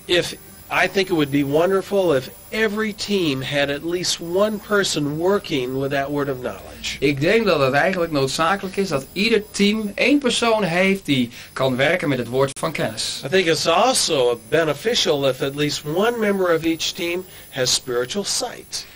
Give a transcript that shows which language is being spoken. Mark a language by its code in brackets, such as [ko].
[en] If I think it would be wonderful if every team had at least one person working with that word of knowledge. [nl] Ik denk dat het eigenlijk noodzakelijk is dat ieder team één persoon heeft die kan werken met het woord van kennis. [en] I think it's also beneficial if at least one member of each team has spiritual sight.